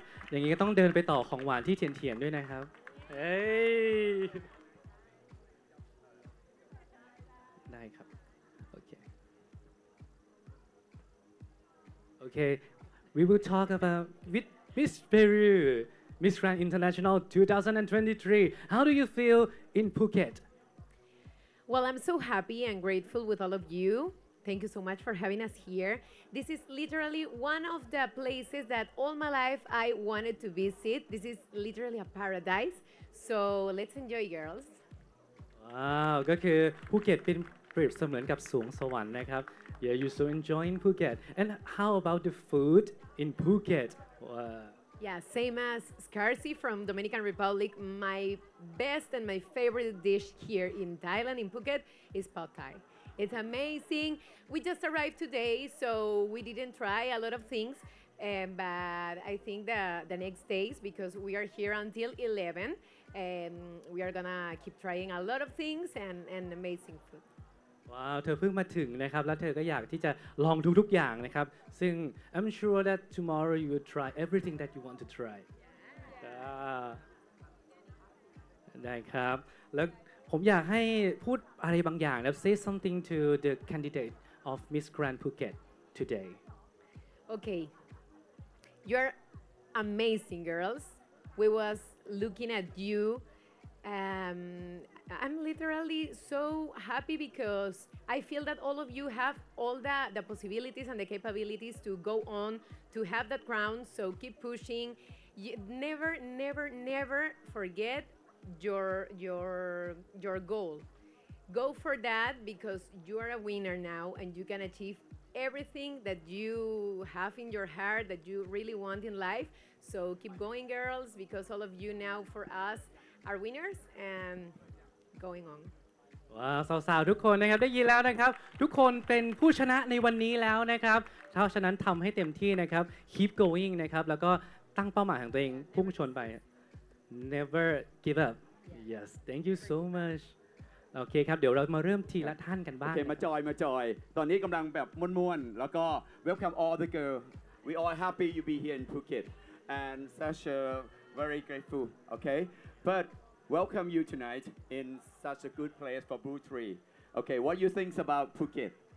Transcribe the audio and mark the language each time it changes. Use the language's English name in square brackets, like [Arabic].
[Thai] อย่างนี้ก็ต้องเดินไปต่อของหวานที่เทียนๆด้วยนะครับเฮ้ยได้ครับโอเคโอเค [English] we will talk about with Miss Peru Miss Grand International 2023 how do you feel in Phuket well I'm so happy and grateful with all of youThank you so much for having us here. This is literally one of the places that all my life I wanted to visit. This is literally a paradise. So let's enjoy, girls. [Thai] Wow, ก็คือ Phuket เป็นเปรียบเสมือนกับสวงสวรรค์นะครับ [English] Yeah, you're so enjoying Phuket. And how about the food in Phuket? Yeah, same as Scarcy from Dominican Republic. My best and my favorite dish here in Thailand, in Phuket, is Pad Thai. It's amazing. We just arrived today, so we didn't try a lot of things. But I think the next days, because we are here until 11, we are gonna keep trying a lot of things and amazing food. [Thai] Wow, เธอเพิ่งมาถึงนะครับแล้วเธอก็อยากที่จะลองทุกๆอย่างนะครับซึ่ง [English] I'm sure that tomorrow you will try everything that you want to try. Yeah. [Thai] ได้ครับแล้วผมอยากให้พูดอะไรบางอย่างนะ [English] Say something to the candidate of Miss Grand Phuket today. Okay. You're amazing, girls. We was looking at you I'm literally so happy because I feel that all of you have all the possibilities and the capabilities to go on, to have that crown, so keep pushing. You never, never, never forget your goal. Go for that because you are a winner now and you can achieve everything that you have in your heart that you really want in life. So keep going, girls, because all of you now for us are winners and going on. [Thai] ว้าวสาวๆทุกคนนะครับได้ยินแล้วนะครับทุกคนเป็นผู้ชนะในวันนี้แล้วนะครับเพราะฉะนั้นทำให้เต็มที่นะครับ [English] keep going [Thai] นะครับแล้วก็ตั้งเป้าหมายของตัวเองพุ่งชนไป [English] never give up yes thank you so much [Thai] โอเคครับเดี๋ยวเรามาเริ่มทีละท่านกันบ้าง โอเคมาจอยมาจอยตอนนี้กำลังแบบม่วนๆแล้วก็ [English] welcome all the girl we all happy you be here in Phuket and such a very grateful okay but welcome you tonight inSuch a good place for Blue Tree. Okay, what do you think about Phuket?